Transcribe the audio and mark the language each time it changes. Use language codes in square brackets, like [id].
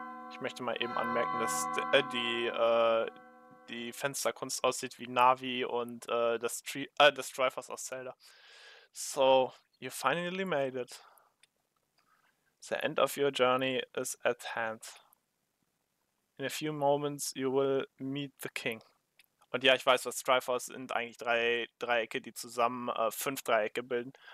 [de] Ich möchte mal eben anmerken, dass die Fensterkunst aussieht wie Navi und das Drivers aus Zelda. [en] So. You finally made it. The end of your journey is at hand. In a few moments you will meet the king. [de] Und ja, ich weiß, was Triforce sind, eigentlich drei Dreiecke, die zusammen fünf Dreiecke bilden.